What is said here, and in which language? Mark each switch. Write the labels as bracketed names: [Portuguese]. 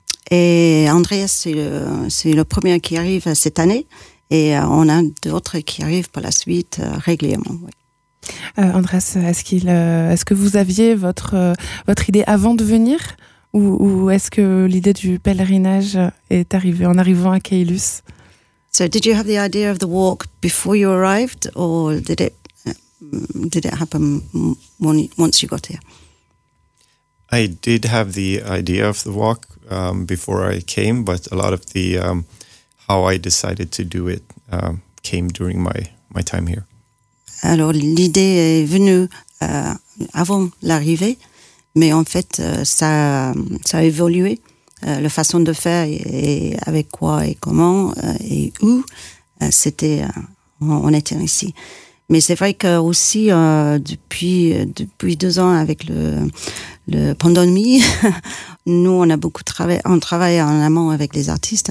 [French] Et Andreas, c'est le premier qui arrive cette année. Et on a d'autres qui arrivent par la suite régulièrement. Oui. Andreas, est-ce que vous aviez votre idée avant de venir ou est-ce que l'idée du pèlerinage est arrivée en arrivant à Caylus? [English] So, did you have the idea of the walk before you arrived, or did it happen once you got here? I did have the idea of the walk before I came, but a lot of the how I decided to do it came during my time here. [French] Alors, l'idée est venue avant l'arrivée, mais en fait, ça a évolué. La façon de faire et avec quoi et comment et où, c'était on était ici. Mais c'est vrai que aussi depuis 2 ans avec le pandémie, nous on a beaucoup travaillé, on travaille en amont avec les artistes.